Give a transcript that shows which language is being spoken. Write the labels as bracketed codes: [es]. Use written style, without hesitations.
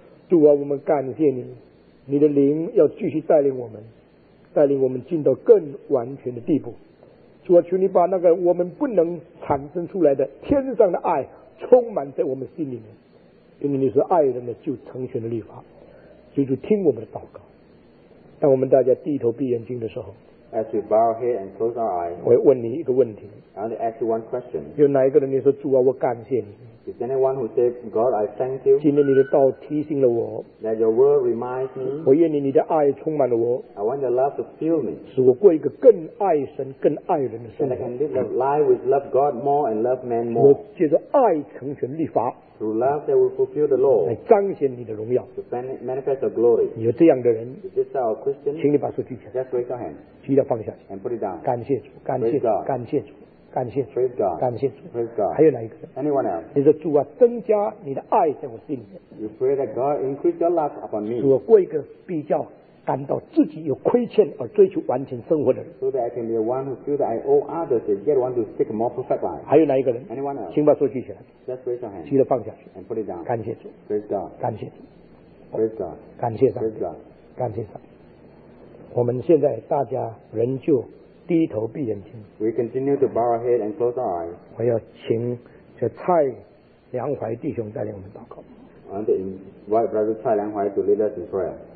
[zh] 主啊，我们感谢你，你的灵要继续带领我们，带领我们进到更完全的地步。主啊，求你把那个我们不能产生出来的天上的爱充满在我们心里面，因为你是爱人的就成全的律法。求主听我们的祷告。当我们大家低头闭眼睛的时候， [en] As we bow head and close our eyes, [zh] 我会问你一个问题。 [en] I want to ask you one question. [zh] 有哪一个人你说，主啊，我感谢你。 [en] Is anyone who says, God, I thank you? [zh] 今天你的道提醒了我。 [en] That your word reminds me. [zh] 我愿意你的爱充满了我。 [en] I want your love to fill me. [zh] 使我过一个更爱神、更爱人的生活。 [en] That I can live a life which love God more and love man more. [zh] 我借着爱成全律法。 [en] Through love that will fulfill the law. [zh] 来彰显你的荣耀。 [en] To manifest your glory. [zh] 你有这样的人。 [en] Is this our Christian? [zh] 请你把手举起来。 [en] Just raise your hand. [zh] 举了放下。 [en] And put it down. [zh] 感谢主，感谢主，感谢主。感谢主， [en] Praise God. [zh] 感谢主， [en] Praise God. [zh] 还有哪一个？ [en] Anyone else? [zh] 你说，主啊，增加你的爱在我心里面。 [en] You pray that God increase your love upon me. [zh] 主啊，过一个比较感到自己有亏欠而追求完全生活的人。 [en] So that I can be one who feel that I owe others and yet want to seek a more perfect life. [zh] 还有哪一个人？ [en] Anyone else? [zh] 请把手举起来。 [en] Just raise your hand. [zh] 记得放下去。 [en] And put it down. [zh] 感谢主， [en] Praise God. [zh] 感谢主， [en] Praise God. [zh] 感谢上帝， [en] Praise God. [zh] 感谢上帝。我们现在大家仍旧低头闭眼睛。 [en] We continue to bow our head and close our eyes. [zh] 我要请这蔡良怀弟兄带领我们祷告。 [en] I want to invite Brother 蔡良怀 to lead us in prayer.